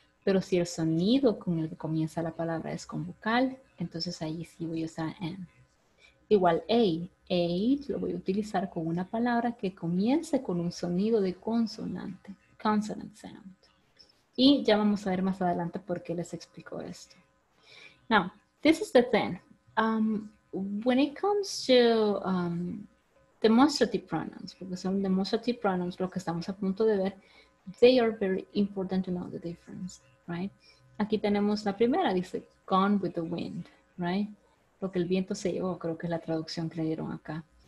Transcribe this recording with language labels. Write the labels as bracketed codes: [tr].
[es] Pero si el sonido con el que comienza la palabra es con vocal, entonces ahí sí voy a usar an. Igual a. A lo voy a utilizar con una palabra que comience con un sonido de consonante. Consonant sound. Y ya vamos a ver más adelante por qué les explico esto. [en] Now, this is the thing. When it comes to demonstrative pronouns, [es] porque son demonstrative pronouns, lo que estamos a punto de ver, [en] they are very important to know the difference. [es] Right? Aquí tenemos la primera, dice gone with the wind, right? Lo que el viento se llevó, creo que es la traducción que le dieron acá.